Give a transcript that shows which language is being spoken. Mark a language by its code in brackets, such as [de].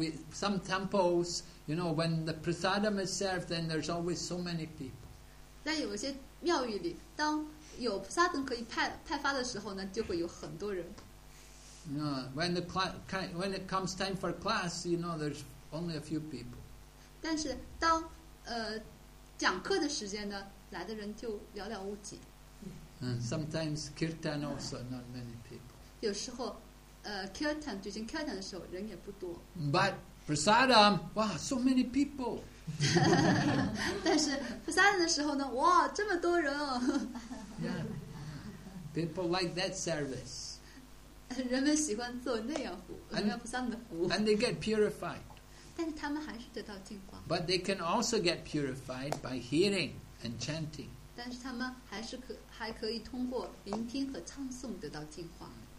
[en] Some temples, you know, when the prasadam is served, then there's always so many people. [zh] 但有些庙宇里，当有菩萨可以派发的时候呢，就会有很多人。 [en] When it comes time for class, you know, there's only a few people. [zh] 但是当讲课的时间呢，来的人就寥寥无几。 [en] And sometimes kirtan also, not many people. [zh] 有时候kirtan, 举行 kirtan 的时候，人也不多。 [en] But prasadam, wow, so many people. [zh] 但是 prasadam 的时候呢，哇，这么多人哦。 [en] Yeah. People like that service. [zh] 人们喜欢做那样服，人们 prasadam 的服。 [en] And they get purified. [zh] 但是他们还是得到净化。 [en] But they can also get purified by hearing and chanting. [zh] 但是他们还可以通过聆听和唱诵得到净化。